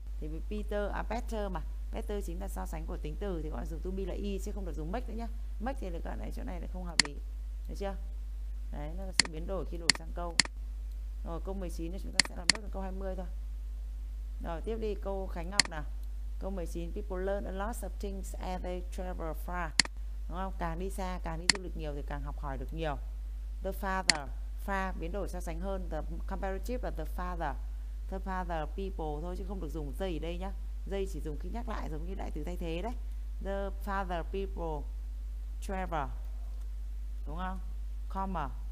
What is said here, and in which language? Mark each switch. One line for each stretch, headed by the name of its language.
Vietnamese: Thì Peter à better mà. Better chính là so sánh của tính từ thì các bạn dùng to be là is chứ không được dùng make nữa nhá. Make thì là các bạn này chỗ này là không hợp lý. Được chưa? Đấy, nó là sự biến đổi khi đổi sang câu. Rồi câu 19 thì chúng ta sẽ làm bước câu 20 thôi. Rồi tiếp đi câu Khánh Ngọc nào.
English: Câu 19, people learn a lot of things as they travel far.
Vietnamese: Đúng không? Càng đi xa, càng đi du lịch nhiều thì càng học hỏi được nhiều. The father, far biến đổi so sánh hơn, the comparative là the father people thôi chứ không được dùng they đây nhá. They chỉ dùng khi nhắc lại giống như đại từ thay thế đấy.
English: The father people travel.
Vietnamese: Đúng không? Comma.